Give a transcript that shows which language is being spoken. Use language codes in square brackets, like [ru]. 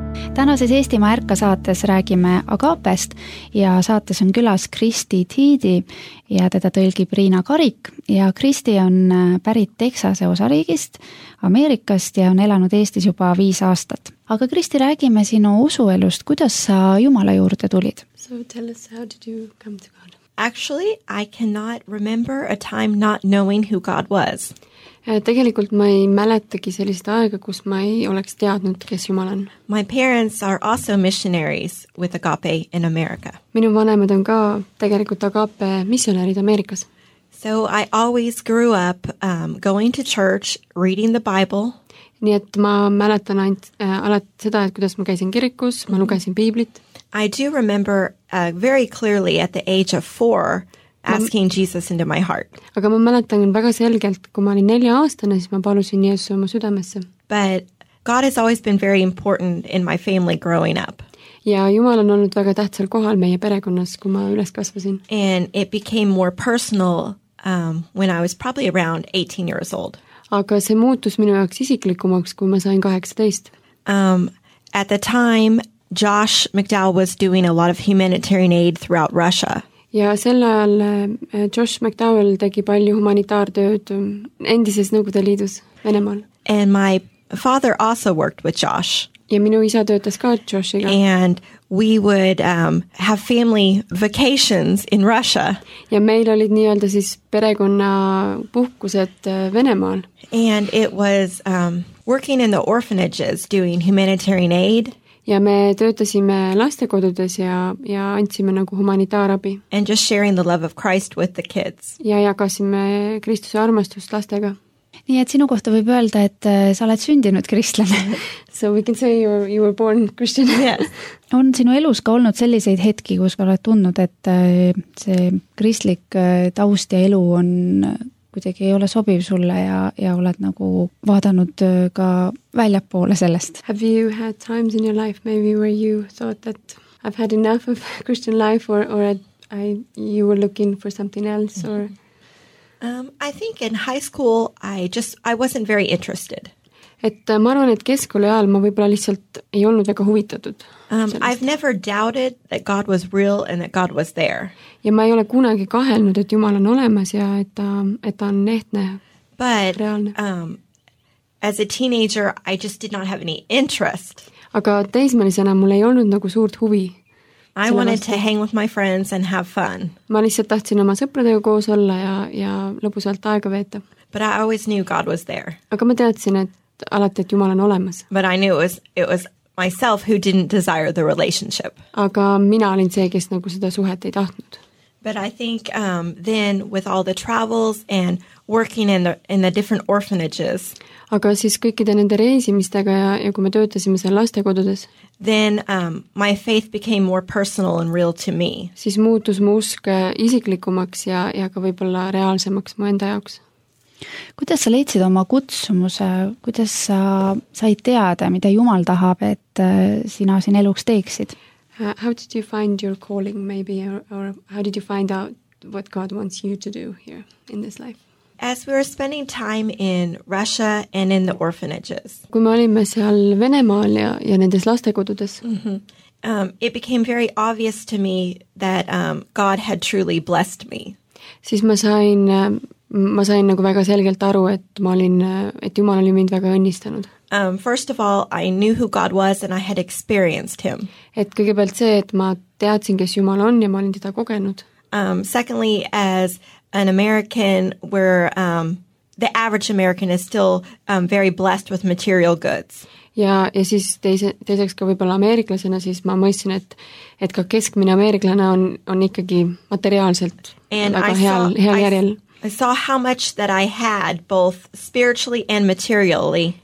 [et] Tänases Eestimaa ärka saates räägime Agapest ja saates on külas Kristi Tiidi ja teda tõlgib Riina Karik. Ja Kristi on pärit Texase osariigist, Ameerikast ja on elanud Eestis juba 5 aastat. Aga Kristi, räägime sinu usuelust, kuidas sa Jumala juurde tulid? [en] So tell us, how did you come to God? Actually, I cannot remember a time not knowing who God was. [et] Tegelikult ma ei mäletagi sellist aega, kus ma ei oleks teadnud, kes Jumal on. [en] My parents are also missionaries with Agape in America. [et] Minu vanemad on ka tegelikult Agape missionärid Ameerikas. [en] So I always grew up going to church, reading the Bible. [et] Nii et ma mäletan alati seda, et kuidas ma käisin kirikus, ma lugesin piiblit. [en] I do remember very clearly at the age of 4 asking Jesus into my heart. [et] Aga ma mäletan väga selgelt, kui ma olin 4-aastane, siis ma palusin Jeesuse oma südamesse. [en] But God has always been very important in my family growing up. [et] Ja Jumal on olnud väga tähtsal kohal meie perekonnas, kui ma üles kasvasin. [en] And it became more personal when I was probably around 18 years old. [et] Aga see muutus minu jaoks isiklikumaks, kui ma sain 18. [en] At the time, Josh McDowell was doing a lot of humanitarian aid throughout Russia. [et] Ja sel ajal Josh McDowell tegi palju humanitaartööd endises Nõukogude Liidus Venemaal. [en] And my father also worked with Josh. [et] Ja minu isa töötas ka Joshiga. [en] And we would have family vacations in Russia. [et] Ja meil olid nii-öelda siis perekonna puhkused Venemaal. [en] And it was working in the orphanages doing humanitarian aid. [et] Ja me töötasime lastekodudes ja andsime nagu humanitaarabi. [en] And just sharing the love of Christ with the kids. [et] Ja jagasime Kristuse armastust lastega. Nii et sinu kohta võib öelda, et sa oled sündinud kristlane. [en] So we can say you were born Christian. Yes. [et] On sinu elus ka olnud selliseid hetki, kus sa oled tundnud, et see kristlik taust ja elu on kuidagi ei ole sobiv sulle ja oled nagu vaadanud ka välja poole sellest. [en] Have you had times in your life maybe where you thought that I've had enough of Christian life or you were looking for something else or... I think in high school I wasn't very interested. [et] Et ma arvan, et keskkooli ajal ma võib-olla lihtsalt ei olnud väga huvitatud. [en] I've never doubted that God was real and that God was there. [et] Ja ma ei ole kunagi kahelnud, et Jumal on olemas ja et ta on ehtne. [en] But as a teenager I just did not have any interest. [et] Aga teismelisena mul ei olnud nagu suurt huvi. [en] I wanted to hang with my friends and have fun. [et] Ma lihtsalt tahtsin oma sõpradega koos olla ja lõbusalt aega veeta. [en] But I always knew God was there. [et] Aga ma teadsin, et alati, et Jumal on olemas. [en] But I knew it was myself who didn't desire the relationship. [et] Aga mina olin see, kes nagu seda suhet ei tahtnud. [en] But I think then with all the travels and working in the different orphanages. [et] Aga siis kõikide nende reisimistega ja kui me töötasime seal lastekodudes. [en] Then my faith became more personal and real to me. [et] Siis muutus mu usk isiklikumaks ja ka võib-olla reaalsemaks mu enda jaoks. Kuidas sa leidsid oma kutsumuse? Kuidas sa said teada, mida Jumal tahab, et sina siin eluks teeksid? [en] How did you find your calling maybe or how did you find out what God wants you to do here in this life? As we were spending time in Russia and in the orphanages. [et] Kui me olime seal Venemaal ja nendes lastekodudes. [en] It became very obvious to me that God had truly blessed me. [et] Siis ma sain nagu väga selgelt aru, et ma olin, et Jumal oli mind väga õnnistanud. [en] First of all, I knew who God was and I had experienced him. [et] Et kõigepealt see, et ma teadsin, kes Jumal on ja ma olin teda kogenud. [en] Secondly, as an American where the average American is still very blessed with material goods. [et] Ja siis teiseks ka võib-olla ameeriklasena, siis ma mõtlesin, et ka keskmine ameeriklane on ikkagi materiaalselt väga heal järjel. [en] I saw how much that I had both spiritually and materially.